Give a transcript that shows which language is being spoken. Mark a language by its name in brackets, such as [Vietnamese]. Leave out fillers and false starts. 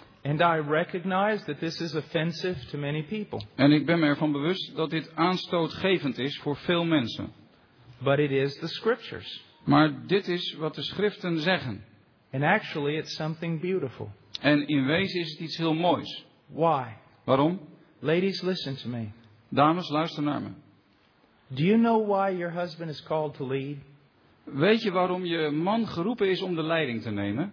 [English] And I recognize that this is offensive to many people. [Dutch] En ik ben me ervan bewust dat dit aanstootgevend is voor veel mensen. [English] But it is the scriptures. [Dutch] Maar dit is wat de schriften zeggen. [English] And actually it's something beautiful. [Dutch] En in wezen is het iets heel moois. [English] Why? [Dutch] Waarom? [English] Ladies, listen to me. [Dutch] Dames, luister naar me. [English] Do you know why your husband is called to lead? [Dutch] Weet je waarom je man geroepen is om de leiding te nemen?